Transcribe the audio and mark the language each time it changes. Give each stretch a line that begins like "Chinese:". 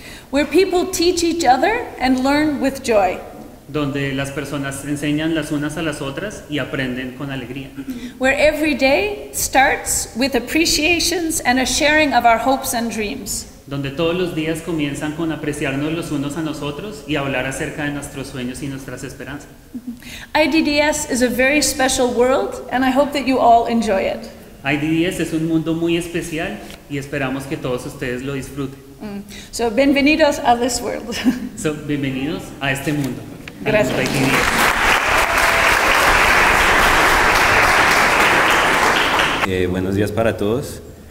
English: Where people teach each other and learn with joy.
Spanish: Donde las personas enseñan las unas a las otras y aprenden con alegría.
English: Where every day starts with appreciations and a sharing of our hopes and dreams.
Spanish: Donde todos los días comienzan con apreciarnos los unos a nosotros y hablar acerca de nuestros sueños y nuestras esperanzas.
English: IDDS is a very special world, and I hope that you all enjoy it.
Spanish: IDDS es un mundo muy especial y esperamos que todos ustedes lo disfruten.
English: So,
Spanish: bienvenidos a
English: this world.
Spanish: So, bienvenidos a este mundo. Gracias. Buenos días para todos.